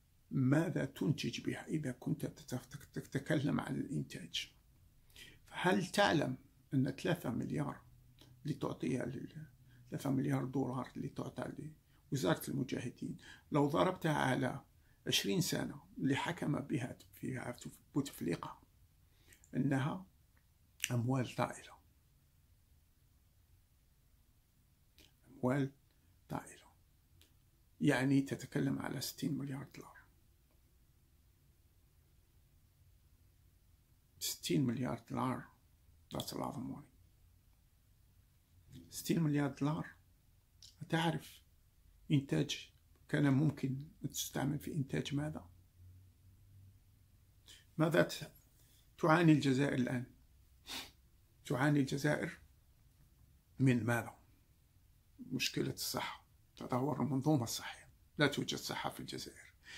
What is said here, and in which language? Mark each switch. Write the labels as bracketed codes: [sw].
[ar] ماذا تنتج بها إذا كنت تتكلم عن الإنتاج؟ فهل تعلم أن 3 مليار لتعطيها 3 مليار دولار لتعطى لوزارة المجاهدين، لو ضربتها على 20 سنة لحكم بها في بوتفليقة، أنها أموال طائلة، أموال طائلة، يعني تتكلم على 60 مليار دولار. [en] 60 [ar] مليار دولار، [en] that's a lot of money. [ar] 60 مليار دولار، أتعرف إنتاج كان ممكن تستعمل في إنتاج ماذا؟ ماذا تعاني الجزائر الآن؟ تعاني الجزائر من ماذا؟ مشكلة الصحة، تدهور المنظومة الصحية، لا توجد صحة في الجزائر.